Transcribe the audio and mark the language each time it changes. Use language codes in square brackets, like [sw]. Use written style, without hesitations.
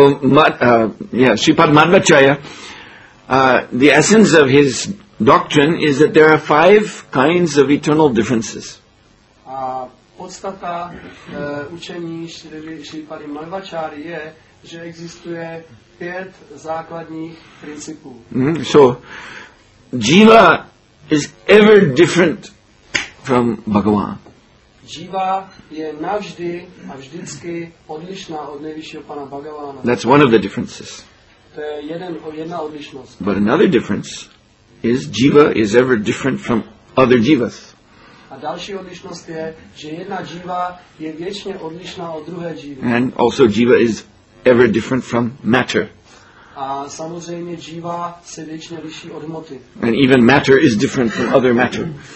[en] Shripad Madhvacharya, the essence of his doctrine is that there are five kinds of eternal differences. [cs] A podstata učení Shripady Madhvacharyi je, že existuje pět základních principů. [en] So, jiva is ever different from Bhagavan. [cs] Jiva je navždy a vždycky odlišná od nejvyššího pana Bhagavána. [en] That's one of the differences. [cs] To je jedna odlišnost. [en] But another difference is jiva is ever different from other jivas. [cs] A další odlišnost je, že jedna jiva je věčně odlišná od druhé jivy. [en] And also jiva is ever different from matter. [cs] A samozřejmě jiva se věčně liší od hmoty. [en] And even matter is different from other matter.